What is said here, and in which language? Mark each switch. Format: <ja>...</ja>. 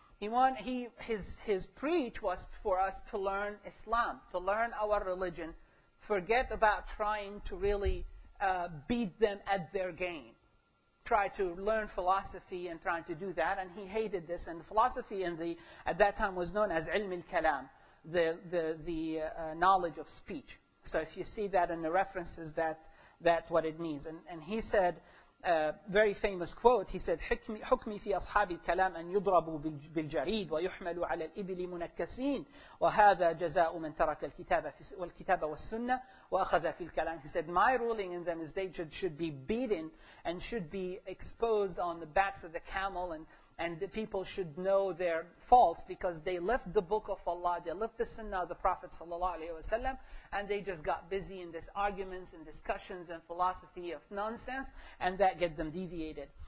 <en>His preach was for us to learn Islam, to learn our religion, forget about trying to really beat them at their game. Try to learn philosophy and trying to do that, and he hated this. And philosophy at that time was known as ilm al-kalam, the knowledge of speech. So if you see that in the references, that's what it means. And he said, very famous quote, he said,</en> <ar>حكمي في أصحاب الكلام أن يضربوا بالجريد ويحملوا على الإبل منكسين وهذا جزاء من ترك الكتاب والكتاب والسنة وأخذ في الكلام.</ar> <en>He said, my ruling in them is they should be beaten and should be exposed on the backs of the camel, and the people should know their faults because they left the book of Allah, they left the sunnah of the Prophet ﷺ, and they just got busy in this arguments and discussions and philosophy of nonsense, and that get them deviated.</en>